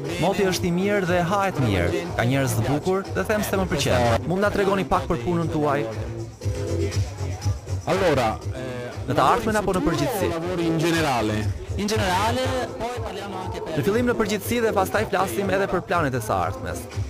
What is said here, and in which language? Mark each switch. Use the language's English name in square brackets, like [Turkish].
[Albanian] Moti është I mirë dhe hahet mirë. Ka njerëz të bukur dhe them se më pëlqen. Mund na tregoni pak për punën tuaj? [Italian] Allora, [Albanian] në të ardhmen apo në përgjithësi? [Italian] Lavori in generale. In generale, poi parliamo anche per [Albanian] Në fillim në përgjithësi dhe pastaj flasim edhe për planet e së ardhmes.